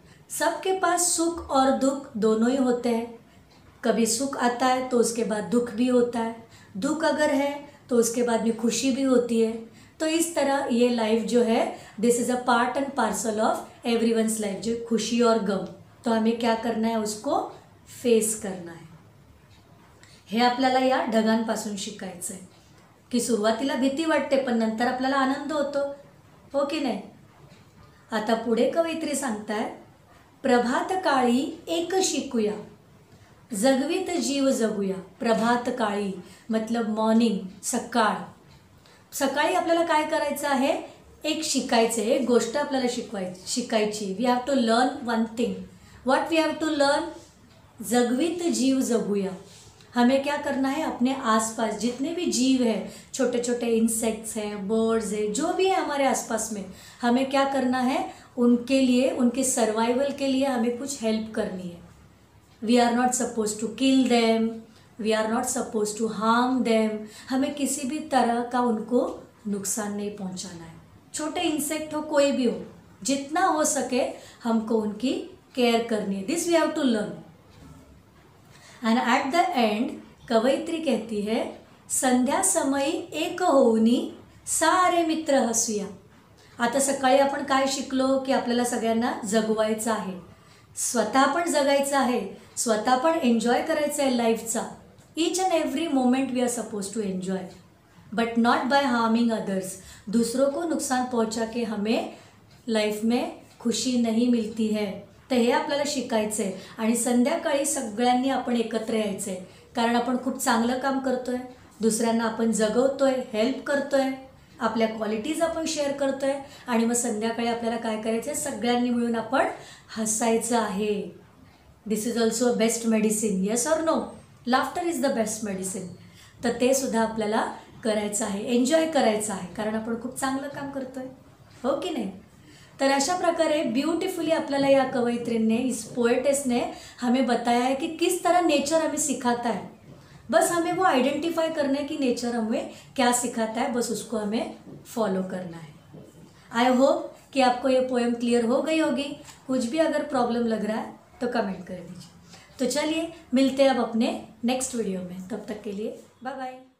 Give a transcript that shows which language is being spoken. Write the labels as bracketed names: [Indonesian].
[Hindi] सबके पास सुख और दुख दोनों ही होते हैं, कभी सुख आता है तो उसके बाद दुख भी होता है, दुख अगर है तो उसके बाद में खुशी भी होती है. तो इस तरह ये लाइफ जो है, [English] this is a part and parcel of everyone's life, [Hindi] जो खुशी और गम, तो हमें क्या करना है, उसको फेस करना है. [Marathi] हे आपल्याला या ढगांपासून शिकायचं आहे की सुरुवातीला भीती वाटते पण नंतर आपल्याला आनंद होतो, हो की नाही. आता पुढे कवयित्री सांगताय, प्रभातकाळी एक शिकूया, जगवीत जीव जगूया. प्रभातकाळी मतलब मॉर्निंग, सकाळ, सकाळी आपल्याला काय करायचं आहे, एक शिकायचं आहे, एक गोष्ट आपल्याला शिकायची. [English] we have to learn one thing, what we have to learn, [Marathi] जगवीत जीव जगूया. [Hindi] हमें क्या करना है, अपने आसपास जितने भी जीव है, छोटे छोटे इंसेक्ट्स हैं, बर्ड्स हैं, जो भी है हमारे आसपास में, हमें क्या करना है उनके लिए, उनके सर्वाइवल के लिए हमें कुछ हेल्प करनी है. [English] we are not suppose to kill them, we are not suppose to harm them, [Hindi] हमें किसी भी तरह का उनको नुकसान नहीं पहुंचाना है. छोटे इंसेक्ट हो, कोई भी हो, जितना हो सके हमको उनकी केयर करनी है. [English] This we have to learn. And at the end [Hindi] कवयित्री कहती है, [Marathi] संध्या समय एक होनी सारे मित्र हसूया. आता सकाळी आपण काय शिकलो की आपल्याला सगळ्यांना जगवायचं आहे, स्वतः पण जगायचं आहे, स्वतः पण एन्जॉय करायचं आहे लाईफचा. [English] Each and every moment we are suppose to enjoy, but not by harming others. [Hindi] दूसरों को नुकसान पहुँचा के हमें लाईफ में खुशी नहीं मिलती है, [Marathi] तर हे आपल्याला शिकायचं आहे. आणि संध्याकाळी सगळ्यांनी आपण एकत्र यायचं आहे, कारण आपण खूप चांगलं काम करतो आहे, दुसऱ्यांना आपण जगवतो आहे, हेल्प करतो आहे, आपल्या क्वालिटीज आपण शेअर करतो आहे. आणि मग संध्याकाळी आपल्याला काय करायचं आहे, सगळ्यांनी मिळून आपण हसायचं आहे. [English] This is also a best medicine, yes or no? Laughter is the best medicine. [Marathi] तर ते सुद्धा आपल्याला करायचं आहे, एन्जॉय करायचं आहे, कारण आपण खूप चांगलं काम करतो आहे, हो की नाही? तर अशा प्रकारे ब्युटिफुली आपल्याला या कवयित्रींने, [Hindi] इस पोएटेसने हमें बताया है कि किस तरह नेचर हमें सिखाता है. बस हमें वो आइडेंटिफाई करना है कि नेचर हमें क्या सिखाता है, बस उसको हमें फॉलो करना है. आई होप कि आपको ये पोएम क्लियर हो गई होगी. कुछ भी अगर प्रॉब्लम लग रहा है तो कमेंट कर दीजिए. तो चलिए मिलते हैं अब अपने नेक्स्ट वीडियो में, तब तक के लिए बाय बाय.